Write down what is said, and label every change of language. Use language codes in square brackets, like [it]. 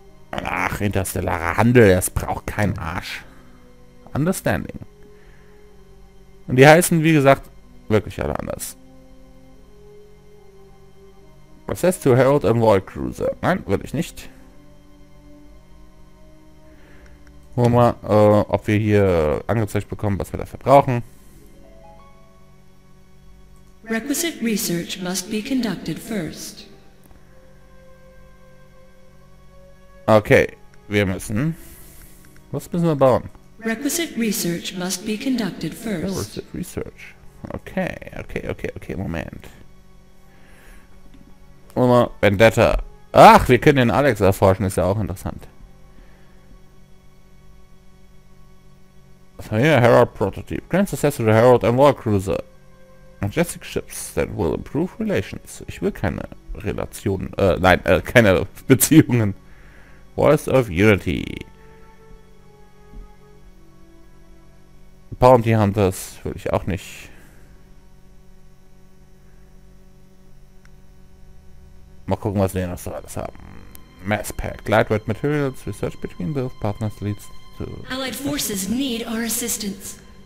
[de] Ach, interstellarer Handel, das braucht kein Arsch. Understanding. Und die heißen, wie gesagt, wirklich alle anders. [en] Process to Herald and Void Cruiser. [de] Nein, will ich nicht. Gucken wir mal, ob wir hier angezeigt bekommen, was wir dafür brauchen. [en] Requisite research must be conducted first. [de] Okay, wir müssen. Was müssen wir bauen? [en] Requisite research must be conducted first. Requisite [de] research. Okay, Moment. Oder Vendetta. Ach, wir können den Alex erforschen, ist ja auch interessant. Was haben wir hier? Herald Prototype. [en] Grand Successor to Herald and War Cruiser. Majestic Ships that will improve relations. [de] Ich will keine Relationen. Keine Beziehungen. [en] Voice of Unity. [de] Bounty Hunters will ich auch nicht. Mal gucken, was wir noch so alles haben. [en] Mass Pack, Lightweight Materials, Research between both partners leads to... Allied forces need our assistance.